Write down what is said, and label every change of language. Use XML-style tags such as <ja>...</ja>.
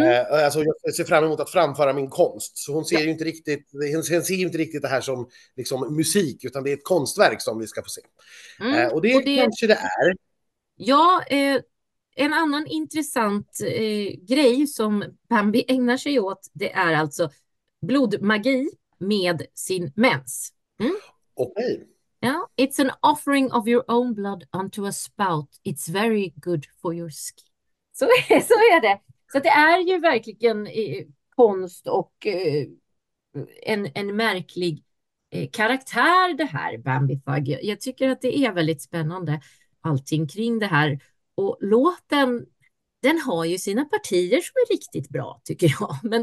<sv>Alltså jag ser fram emot att framföra min konst. Så hon ser ju inte riktigt, hon ser inte riktigt det här som liksom musik, utan det är ett konstverk som vi ska få se. Och Och det det, kanske det är. ja, en annan intressant grej som Bambi ägnar sig åt, det är alltså blodmagi med sin mens. Okej.</sv> <en>Ja, it's an offering of your own blood unto a spout. It's very good for your skin.</en> <sv>Så är det. Så det är ju verkligen konst och en märklig karaktär det här, Bambi Thug. Jag tycker att det är väldigt spännande allting kring det här. Och låten, den har ju sina partier som är riktigt bra, tycker jag.</sv>